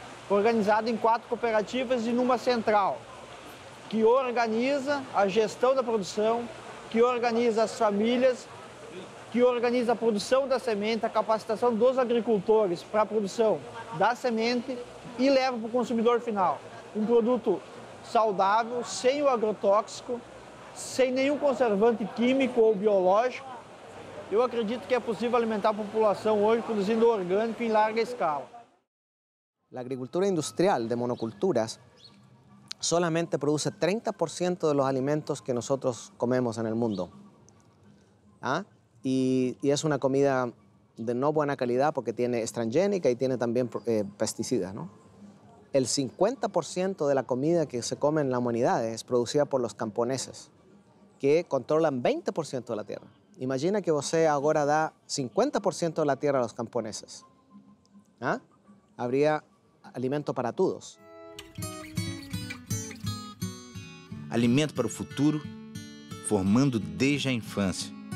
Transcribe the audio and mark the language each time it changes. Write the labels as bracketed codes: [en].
[pt] Organizado em 4 cooperativas e numa central, que organiza a gestão da produção, que organiza as famílias, que organiza a produção da semente, a capacitação dos agricultores para a produção da semente e leva para o consumidor final. Um produto saudável, sem o agrotóxico, sem nenhum conservante químico ou biológico. Eu acredito que é possível alimentar a população hoje produzindo orgânico em larga escala. [es] La agricultura industrial de monoculturas solamente produce 30% de los alimentos que nosotros comemos en el mundo. ¿Ah? Y es una comida de no buena calidad porque tiene transgénica y tiene también pesticidas, ¿no? El 50% de la comida que se come en la humanidad es producida por los camponeses, que controlan 20% de la tierra. [pt] Imagina que você agora dá [es] 50% de la tierra a los camponeses. ¿Ah? Habría alimento para todos. [pt] Alimento para o futuro, formando desde a infância.